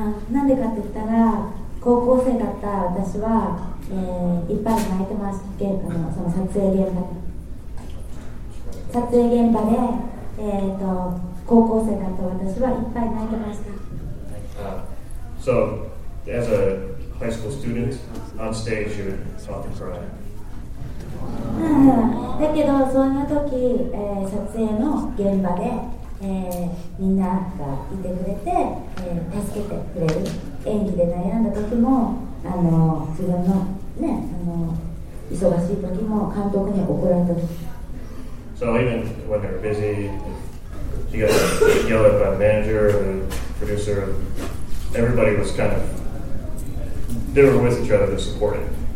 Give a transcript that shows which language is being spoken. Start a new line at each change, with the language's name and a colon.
Japanese: なんでかって言ったら、高校生だった私は、いっぱい泣いてましたけど、その撮影現場で
English: So, as a high school student, on stage, you would often cry.
Japanese: だけど、そんな時、撮影の現場で、みんながいてくれて、助けてくれる。演技で悩んだ時も、自分のね、忙しい時も、監督に怒られた時も、
English: So even when they're busy, she got yelled at by the manager or the producer. Everybody was kind of, they were with each other to support it.